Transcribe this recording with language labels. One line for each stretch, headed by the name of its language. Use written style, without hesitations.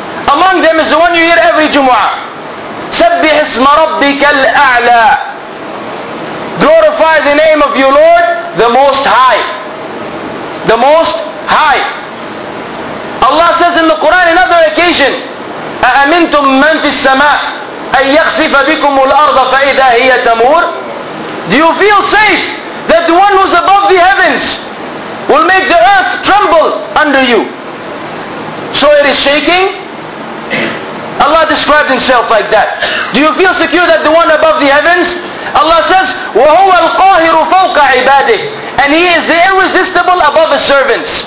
English: Among them is the one you hear every Jumu'ah.
Arabic: سَبِّحِ اسْمَ رَبِّكَ الْأَعْلَى.
English: Glorify the name of your Lord, the Most High. The Most High. Allah says in the Quran on another occasion,
Arabic: أَأَمِنْتُمْ مَنْ فِي السَّمَاءِ أن يخسف بكم الأرض فإذا هي تمور.
English: Do you feel safe that the one who's above the heavens will make the earth tremble under you? So it is shaking. Allah described Himself like that. Do you feel secure that the one above the heavens? Allah says,
Arabic: وَهُوَ الْقَاهِرُ فَوْقَ عِبَادِهِ,
English: and He is the irresistible above His servants.